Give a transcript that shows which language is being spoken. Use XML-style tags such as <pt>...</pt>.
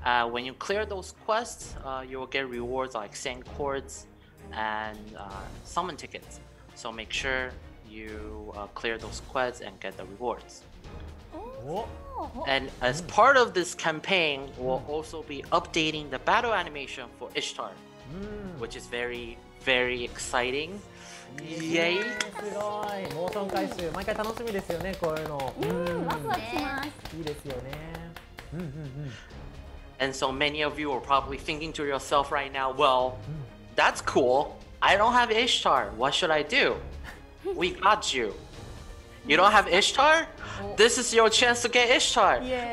<en>When you clear those quests, you will get rewards like sand cords and summon tickets. So make sure you clear those quests and get the rewards. And as part of this campaign, we'll also be updating the battle animation for Ishtar, which is very, very exciting. Yay!</en> <ja>すごい、モーション回収、毎回楽しみですよね、こういうの。ワクワクします。いいですよね。</ja> <en>And so many of you are probably thinking to yourself right now, well, that's cool. I don't have Ishtar. What should I do? We got you. You don't have Ishtar? This is your chance to get Ishtar!、 Yay.</en>